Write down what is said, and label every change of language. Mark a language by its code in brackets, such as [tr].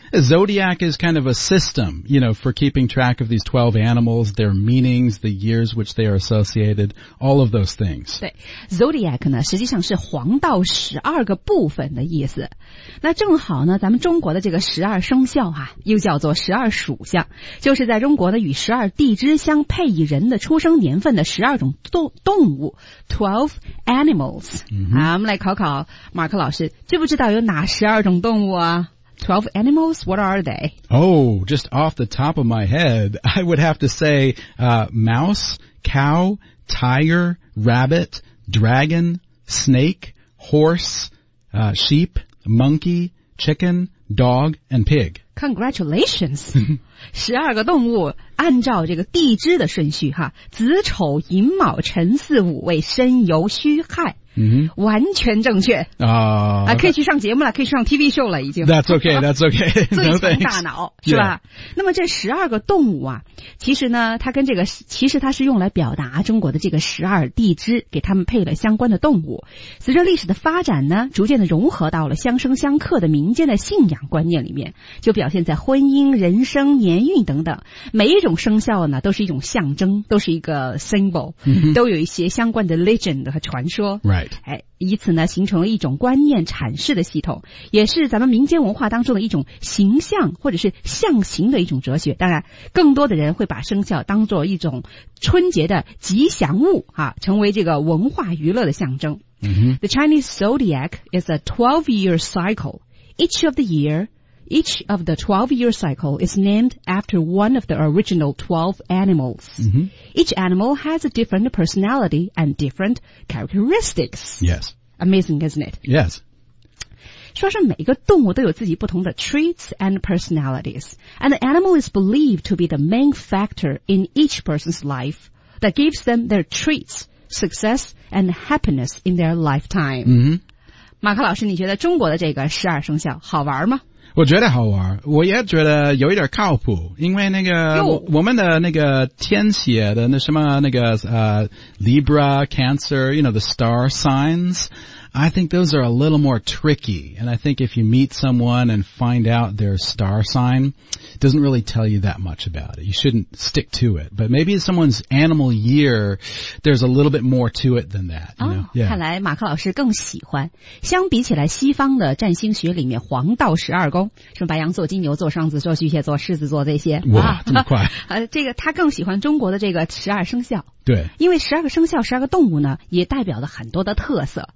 [en] Zodiac is kind of a system, you know, for keeping track of these 12 animals, their meanings, the years which they are associated, all of those things. [zh] 对 ，zodiac 呢，实际上是黄道十二个部分的意思。那正好呢，咱们中国的这个十二生肖啊，又叫做十二属相，就是在中国呢与十二地支相配以人的出生年份的十二种动物 ， [en] 12 animals。嗯， [zh] 好，我们来考考马克老师。知不知道有哪十二种动物啊 ？ [en] 12 animals, what are they? Oh, just off the top of my head, I would have to say, mouse, cow, tiger, rabbit, dragon, snake, horse, sheep, monkey, chicken, dog, and pig. Congratulations! [zh] 十二个动物按照这个地支的顺序哈，子丑寅卯辰巳午未申酉戌亥。 Mm-hmm. 完全正确啊！啊，可以去上节目了，可以去上 [en] TV show [zh] 了，已经。 [en] That's okay, that's okay. [zh] 最强大脑是吧？那么这十二个动物啊，其实呢，它跟这个其实它是用来表达中国的这个十二地支，给他们配了相关的动物。随着历史的发展呢，逐渐的融合到了相生相克的民间的信仰观念里面，就表现在婚姻、人生、年运等等。每一种生肖呢，都是一种象征，都是一个 symbol， mm-hmm. 都有一些相关的 legend 和传说。 [en] Right. [zh] 哎，以此呢形成了一种观念阐释的系统，也是咱们民间文化当中的一种形象或者是象形的一种哲学。当然更多的人会把生肖当作一种春节的吉祥物啊，成为这个文化娱乐的象征。 Mm-hmm. [en] The Chinese zodiac is a 12-year cycle. Each of the 12-year cycle is named after one of the original 12 animals. Mm-hmm. Each animal has a different personality and different characteristics. Yes. Amazing, isn't it? Yes. [zh] 说是每一个动物都有自己不同的 [en] traits and personalities. And the animal is believed to be the main factor in each person's life that gives them their traits, success, and happiness in their lifetime. Mm-hmm. [zh] 马克老师，你觉得中国的这个十二生肖好玩吗？我觉得好玩，我也觉得有一点靠谱，因为那个我们的那个天蝎的那什么那个 [en] Libra, Cancer, you know, the star signs, I think those are a little more tricky. And I think if you meet someone and find out their star sign, it doesn't really tell you that much about it. You shouldn't stick to it. But maybe someone's animal year, there's a little bit more to it than that. You know? Yeah. [zh] 看来马克老师更喜欢，相比起来西方的占星学里面黄道十二宫，什么白羊座、金牛座、双子座、巨蟹座、狮子座这些。哇，这么快。这个他更喜欢中国的这个十二生肖。对，因为十二个生肖十二个动物呢也代表了很多的特色。